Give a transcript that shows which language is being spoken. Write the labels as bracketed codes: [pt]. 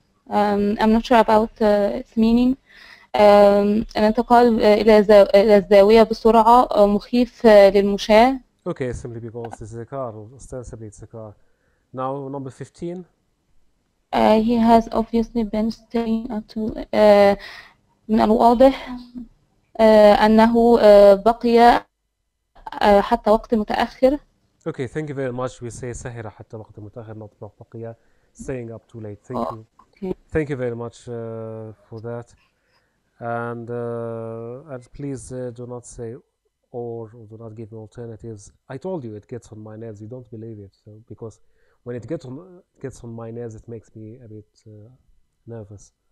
[en] I'm not sure about its meaning. [ar] الانتقال إلى الزاوية بسرعة مخيف للمشاة. [en] Okay, simply because this is a car, ostensibly it's a car. Now, number 15. He has obviously been staying until [ar] من الواضح أنه بقي حتى وقت متأخر. [en] Okay, thank you very much. We say [ar] سهر حتى وقت متأخر, [en] not بقي. Staying up too late. Thank you. Thank you very much for that. And please do not say or do not give me alternatives. I told you it gets on my nerves. You don't believe it. So, because when it gets on my nerves, it makes me a bit nervous.